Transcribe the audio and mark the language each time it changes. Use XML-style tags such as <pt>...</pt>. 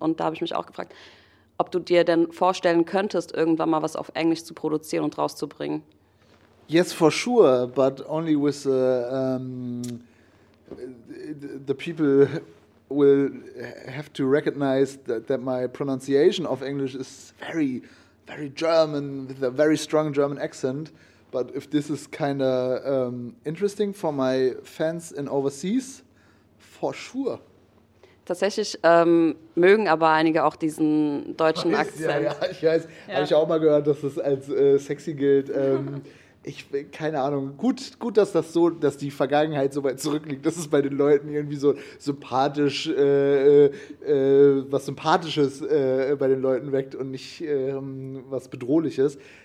<de>Und da habe ich mich auch gefragt, ob du dir denn vorstellen könntest, irgendwann mal was auf Englisch zu produzieren und rauszubringen.</de> <en>Yes, for sure, but only with the people will have to recognize that my pronunciation of English is very, very German, with a very strong German accent. But if this is kind of interesting for my fans in overseas, for sure.</en> <de>Tatsächlich mögen aber einige auch diesen deutschen Akzent. Ja, ich weiß. Ja. Habe ich auch mal gehört, dass es als sexy gilt. Ich keine Ahnung. Gut, dass das so, dass die Vergangenheit so weit zurückliegt, dass es bei den Leuten irgendwie so sympathisch, was Sympathisches bei den Leuten weckt und nicht was Bedrohliches.</de>